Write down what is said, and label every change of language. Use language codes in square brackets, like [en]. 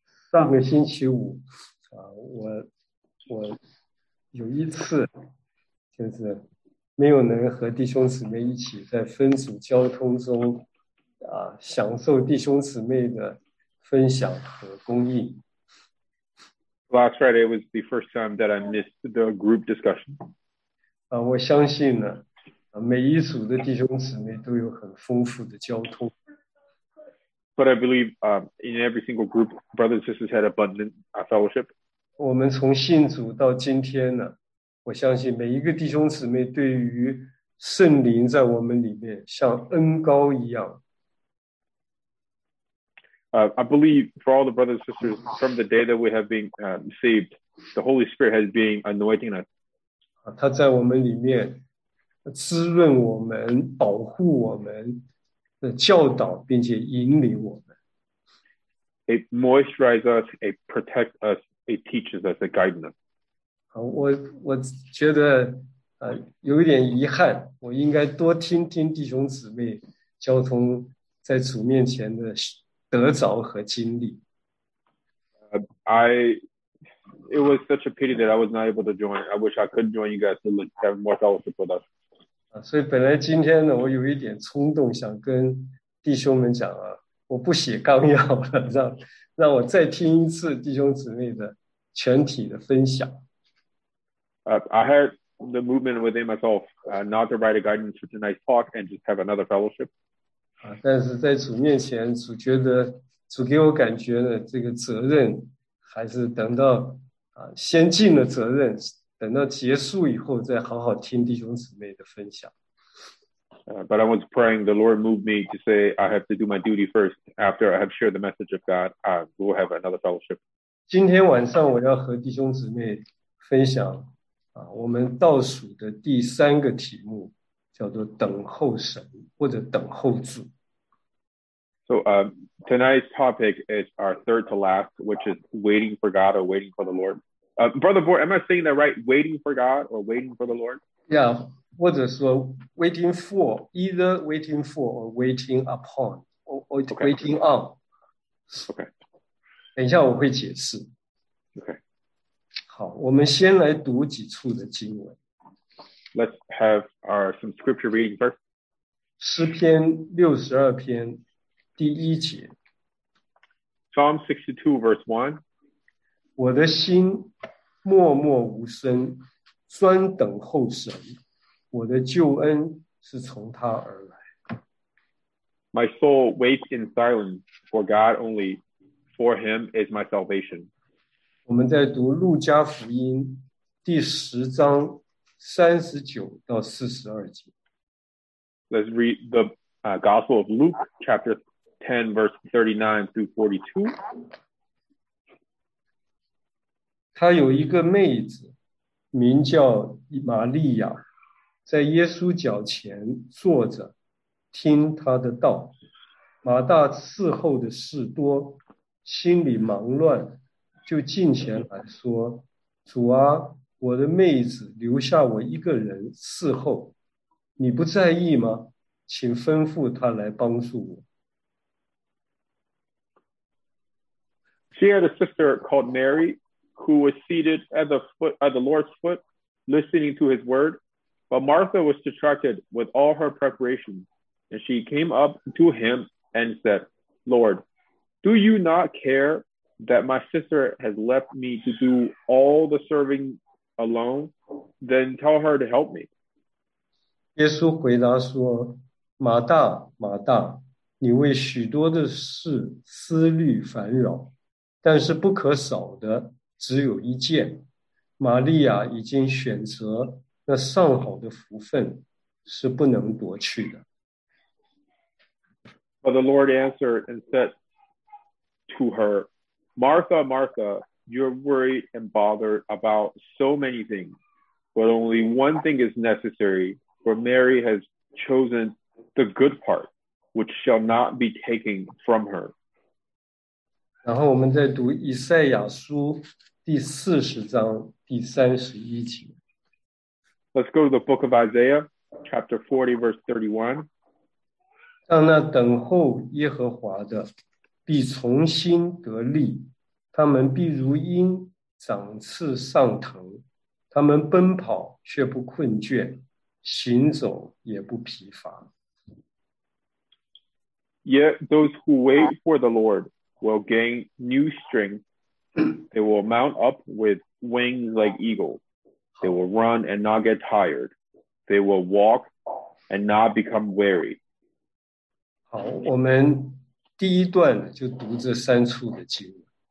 [zh] 上个星期五，我有一次就是没有能和弟兄姊妹一起在分组交通中享受弟兄姊妹的分享和供应。 [en] Last Friday was the first time that I missed the group discussion. [zh] 我相信呢，每一组的弟兄姊妹都有很丰富的交通。 [en] But I believe, in every single group, brothers and sisters had abundant, fellowship. [zh] 我们从信主到今天呢，我相信每一个弟兄姊妹对于圣灵在我们里面像恩膏一样。 [en] I believe for all the brothers and sisters, from the day that we have been saved, the Holy Spirit has been anointing us. [zh] 他在我们里面滋润我们、保护我们、教导并且引领我们。 [en] It moisturizes us, it protects us, it teaches us, it guides us. [zh] 我觉得有一点遗憾，我应该多听听弟兄姊妹交通在主面前的得着和经历。 [en] It was such a pity that I was not able to join. I wish I could join you guys to have more fellowship with us. [zh] 所以本来今天呢，我有一点冲动想跟弟兄们讲啊，我不写纲要了，让我再听一次弟兄姊妹的全体的分享。 [en] I had the movement within myself, not to write a guidance for tonight's talk and just have another fellowship. [zh] 但是在主面前，主觉得主给我感觉的这个责任，还是等到先进的责任，等到结束以后再好好听弟兄姊妹的分享。 [en] But I was praying the Lord moved me to say I have to do my duty first. After I have shared the message of God, I will have another fellowship. [zh] 今天晚上我要和弟兄姊妹分享我们倒数的第三个题目，叫做等候神或者等候主。 [en] So tonight's topic is our third to last, which is waiting for God or waiting for the Lord. Brother Boy, am I saying that right? Waiting for God or waiting for the Lord? Yeah, [zh] 或者说 [en] waiting for, either waiting for or waiting upon, or okay. waiting on. Okay. [zh] 等一下我会解释。 [en] Okay. [zh] 好，我们先来读几处的经文。 [en] Let's have our some scripture reading first. [zh] 诗篇62篇。第一节 [en] Psalm 62 verse 1 [zh] 我的心默默无声专等候神我的救恩是从他而来 [en] My soul waits in silence for God only for him is my salvation [zh] 我们在读路加福音第十章三十九到四十二节 [en] Let's read the Gospel of Luke chapter 10 verse 39 through 42. [zh] 他有一个妹子，名叫玛利亚，在耶稣脚前坐着，听他的道。马大伺候的事多，心里忙乱，就近前来说：“主啊，我的妹子留下我一个人伺候，你不在意吗？请吩咐她来帮助我。” [en] She had a sister called Mary, who was seated at the foot at the Lord's foot, listening to his word. But Martha was distracted with all her preparations, and she came up to him and said, Lord, do you not care that my sister has left me to do all the serving alone? Then tell her to help me. [zh] 耶稣回答说，马大，马大，你为许多的事思虑烦扰。但是不可少的只有一件，玛利亚已经选择那上好的福分，是不能夺去的。 [en] But the Lord answered and said to her, Martha, Martha, you're worried and bothered about so many things, but only one thing is necessary, for Mary has chosen the good part, which shall not be taken from her. [zh] 然后我们再读以赛亚书第四十章第三十一节。 [en] Let's go to the book of Isaiah, chapter 40, verse 31. [zh] 让那等候耶和华的必重新得力，他们必如鹰长翅上腾，他们奔跑却不困倦，行走也不疲乏。 [en] Yet those who wait for the Lord. Will gain new strength. They will mount up with wings like eagles. They will run and not get tired. They will walk and not become weary. [zh] 好，我们第一段就读这三处的经文。